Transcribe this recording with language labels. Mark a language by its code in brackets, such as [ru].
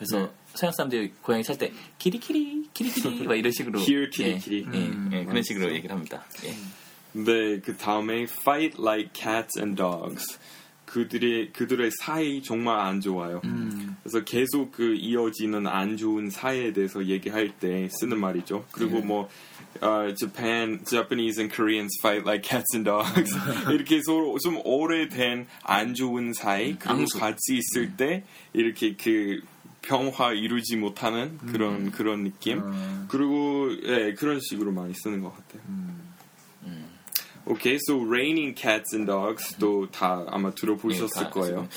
[ko] 그래서 서양 사람들이 고양이 살 때 키리키리 키리키리 막 이런 식으로 [en] here [ko] 키리키리 예, 예, 그런 식으로 얘기를 합니다. 예. 네, 그 다음에 [en] fight like cats and dogs. [ko] 그들의 사이 정말 안 좋아요. 그래서 계속 그 이어지는 안 좋은 사이에 대해서 얘기할 때 쓰는 말이죠. 그리고 뭐 [en] Japan, Japanese and Koreans fight like cats and dogs. [ko] 이렇게 서로 좀 오래된 안 좋은 사이 그리고 같이 있을 때 이렇게 그 평화 이루지 못하는 그런 느낌. 그리고 예, 그런 식으로 많이 쓰는 것 같아요. 오케이, [en] okay, so raining cats and dogs [ko] 도 다 아마 들어보셨을 네, 다 거예요.